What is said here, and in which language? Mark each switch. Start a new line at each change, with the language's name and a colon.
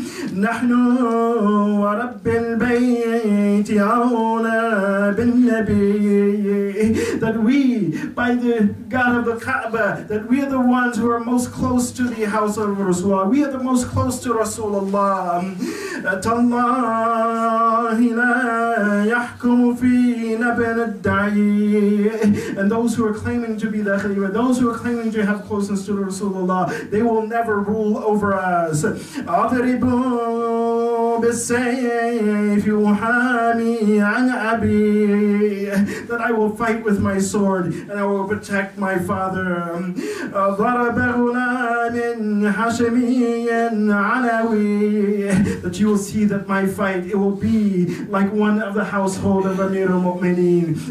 Arabic: نحن ورب البيت أولى بالنبي.
English: That we, by the God of the Kaaba, that we are the ones who are most close to the house of Rasulullah. We are the most close to Rasulullah.
Arabic: تالله لا يحكم فينا بين الدعي.
English: And those who are claiming to be the Khalifa, those who are claiming to have closeness to Rasulullah, they will never rule over us.
Arabic: أضربوا بالسيف وحامي عن أبي.
English: That I will fight with my sword and I will protect my father.
Arabic: ضرب غلام حشمي علوي.
English: That you will see that my fight, it will be like one of the household of Amir al-Mu'mineen.